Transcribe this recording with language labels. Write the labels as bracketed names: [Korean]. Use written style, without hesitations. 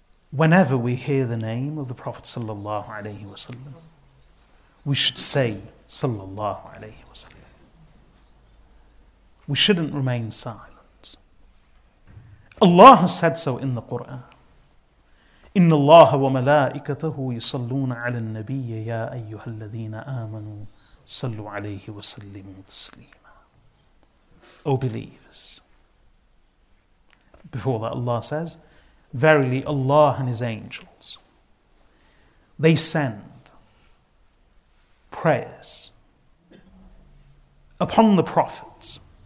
[English] Whenever we hear the name of the Prophet sallallahu alaihi wasallam, we should say sallallahu alaihi wasallam. We shouldn't remain silent. Allah has said so in the Quran. [Arabic] إن الله وملائكته يصلون على النبي يا أيها الذين آمنوا صلوا عليه وسلموا تسليما. [English] O believers, before that Allah says, verily Allah and His angels, they send prayers upon the prophets.